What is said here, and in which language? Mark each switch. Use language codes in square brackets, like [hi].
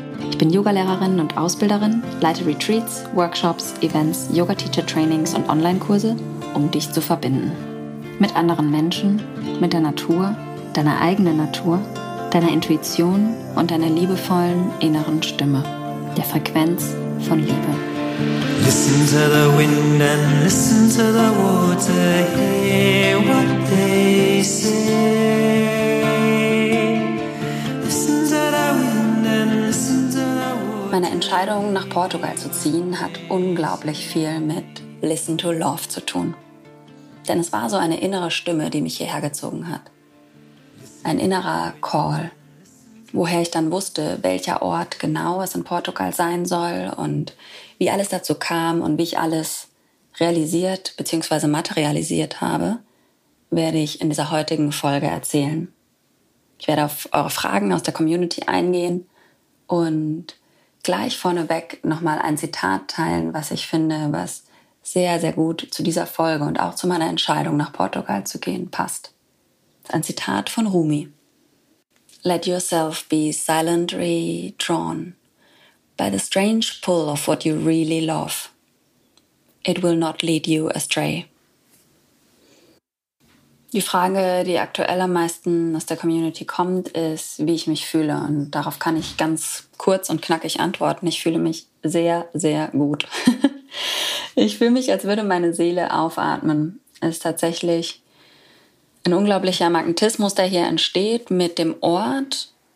[de] Ich bin Yoga-Lehrerin und Ausbilderin, leite Retreats, Workshops, Events, Yoga-Teacher-Trainings und Online-Kurse, um dich zu verbinden. Mit anderen Menschen, mit der Natur, deiner eigenen Natur, deiner Intuition und deiner liebevollen inneren Stimme, der Frequenz von Liebe. [en] Listen to the wind and listen to the water, hear what they say. [de] Meine Entscheidung, nach Portugal zu ziehen, hat unglaublich viel mit Listen to Love zu tun. Denn es war so eine innere Stimme, die mich hierher gezogen hat. Ein innerer Call, woher ich dann wusste, welcher Ort genau es in Portugal sein soll und wie alles dazu kam und wie ich alles realisiert bzw. materialisiert habe, werde ich in dieser heutigen Folge erzählen. Ich werde auf eure Fragen aus der Community eingehen und gleich vorneweg nochmal ein Zitat teilen, was ich finde, was sehr, sehr gut zu dieser Folge und auch zu meiner Entscheidung, nach Portugal zu gehen, passt. Ein Zitat von Rumi. [en] Let yourself be silently drawn by the strange pull of what you really love. It will not lead you astray. [de] Die Frage, die aktuell am meisten aus der Community kommt, ist, wie ich mich fühle. Und darauf kann ich ganz kurz und knackig antworten. Ich fühle mich sehr, sehr gut. Ich fühle mich, als würde meine Seele aufatmen. Es ist tatsächlich ein unglaublicher Magnetismus, der hier entsteht mit dem Ort.